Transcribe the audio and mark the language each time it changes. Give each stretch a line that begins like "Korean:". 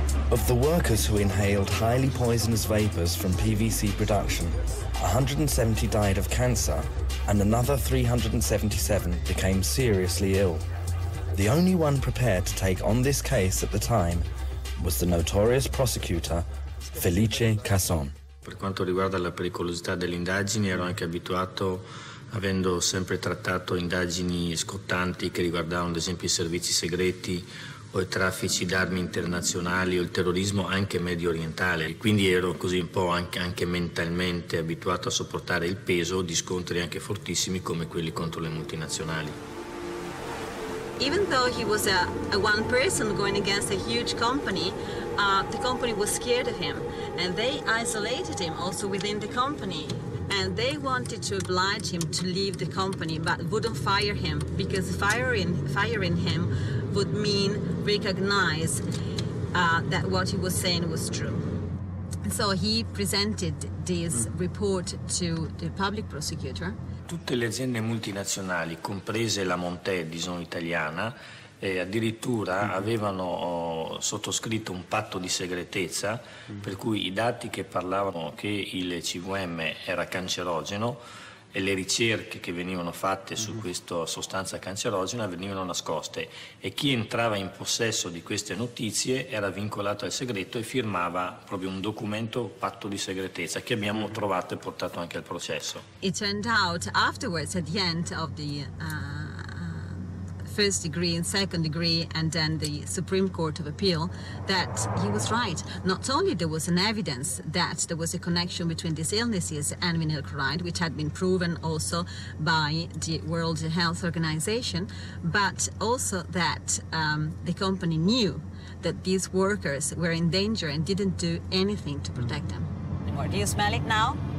English: Of the workers who inhaled highly poisonous vapors from PVC production, 170 died of cancer, and another 377 became seriously ill. The only one prepared to take on this case at the time was the notorious prosecutor, Felice Casson.
Italian: Per quanto riguarda la pericolosità delle indagini, ero anche abituato, avendo sempre trattato indagini scottanti che riguardavano, ad esempio, i servizi segreti o i traffici d'armi internazionali o il terrorismo anche medio orientale. E quindi ero così un po' anche mentalmente abituato a sopportare il peso di scontri anche fortissimi come quelli contro le multinazionali.
English: Even though he was a one person going against a huge company, the company was scared of him. And they isolated him also within the company. And they wanted to oblige him to leave the company, but wouldn't fire him, because firing him would mean recognize that what he was saying was true. And so he presented this report to the public prosecutor.
Italian: Tutte le aziende multinazionali, comprese la Monte Edison italiana, addirittura avevano sottoscritto un patto di segretezza per cui i dati che parlavano che il CVM era cancerogeno e le ricerche che venivano fatte su questa sostanza cancerogena venivano nascoste, e chi entrava in possesso di queste notizie era vincolato al segreto e firmava proprio un documento patto di segretezza che abbiamo trovato e portato anche al processo.
English: It turned out afterwards, at the end of the first degree and second degree and then the Supreme Court of Appeal, that he was right. Not only there was an evidence that there was a connection between these illnesses and vinyl chloride, which had been proven also by the World Health Organization, but also that the company knew that these workers were in danger and didn't do anything to protect them. Do you smell it now?